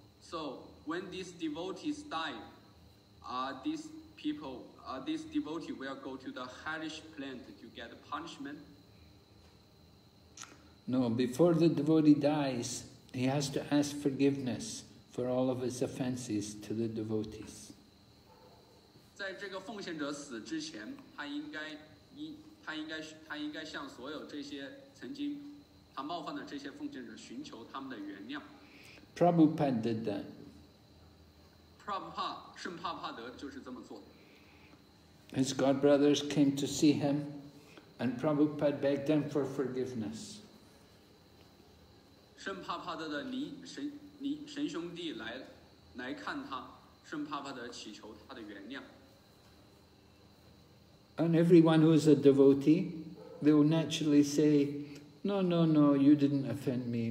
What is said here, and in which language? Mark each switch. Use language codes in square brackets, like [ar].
[en] So when these devotees die, this devotee will go to the hellish plane to get punishment? No, before the devotee dies, he has to ask forgiveness for all of his offenses to the devotees. [zh] 在这个奉献者死之前，他应该向所有这些曾经他冒犯的这些奉献者寻求他们的原谅。 [en] Prabhupada did that. [zh] Prabhupada, 圣帕帕德就是这么做。 [en] His godbrothers came to see him And Prabhupada begged them for forgiveness. [zh] 圣帕帕的神兄弟来看他，圣帕帕的祈求他的原谅。 [en] And everyone who is a devotee, they will naturally say, "No, no, no, you didn't offend me.